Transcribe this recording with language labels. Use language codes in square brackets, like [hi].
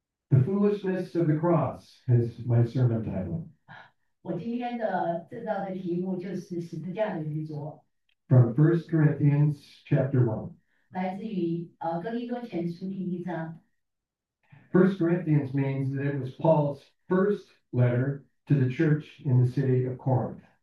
[en] The foolishness of the cross is my sermon title. [zh] 我今天的这道的题目就是十字架的余着。 [en] From 1 Corinthians chapter 1. [zh] 来自于哥林多前书第一章。 [en] 1 Corinthians means that it was Paul's first letter to the church in the city of Corinth.